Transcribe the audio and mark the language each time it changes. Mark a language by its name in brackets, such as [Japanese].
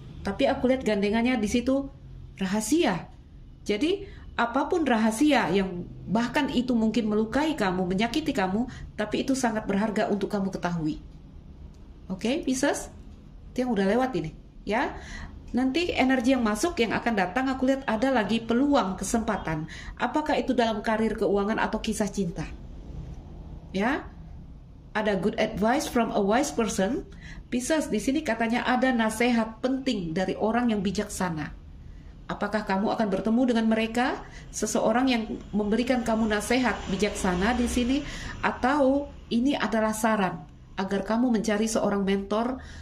[Indonesian] Tapi aku lihat gandengannya di situ rahasia. Jadi, apapun rahasia yang bahkan itu mungkin melukai kamu, menyakiti kamu, tapi itu sangat berharga untuk kamu ketahui. Oke? Pisces, itu yang udah lewat ini, ya. Nanti energi yang masuk, yang akan datang, aku lihat ada lagi peluang, kesempatan. Apakah itu dalam karir, keuangan, atau kisah cinta? Ya, ada [English] good advice from a wise person. [Indonesian] Pisces, di sini katanya ada nasihat penting dari orang yang bijaksana. Apakah kamu akan bertemu dengan mereka? Seseorang yang memberikan kamu nasihat bijaksana di sini? Atau ini adalah saran agar kamu mencari seorang mentor?